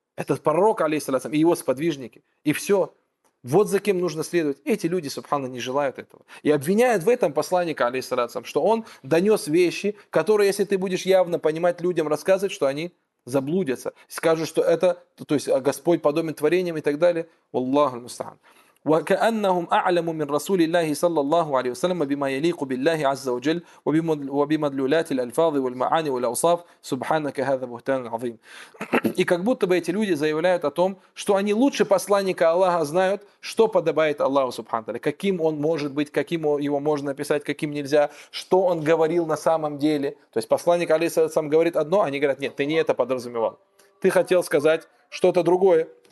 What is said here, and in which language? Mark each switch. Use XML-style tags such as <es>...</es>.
<ru>Этот пророк, алейхиссалям, и его сподвижники. И все. Вот за кем нужно следовать. Эти люди, субханно, не желают этого. И обвиняют в этом посланника, алейхиссалям, что он донес вещи, которые, если ты будешь явно понимать людям, рассказывать, что они заблудятся. Скажут, что это, то есть, Господь подобен творениям и так далее. Валлаху аль-мустаан.</ru> <ar>وكأنهم أعلموا من رسول الله صلى الله عليه وسلم بما يليق بالله عز وجل وبمدلولات الألفاظ والمعاني والأوصاف سبحانك هذا بهتان عظيم.</ar> <ru>И как будто бы эти люди заявляют о том, что они лучше посланника Аллаха знают, что подобает Аллаху субхану тааля, каким он может быть, каким его можно описать, каким нельзя, что он говорил на самом деле. То есть посланник алейхиссалям говорит одно, они говорят: нет, ты не это подразумевал, ты хотел сказать что-то другое.</ru>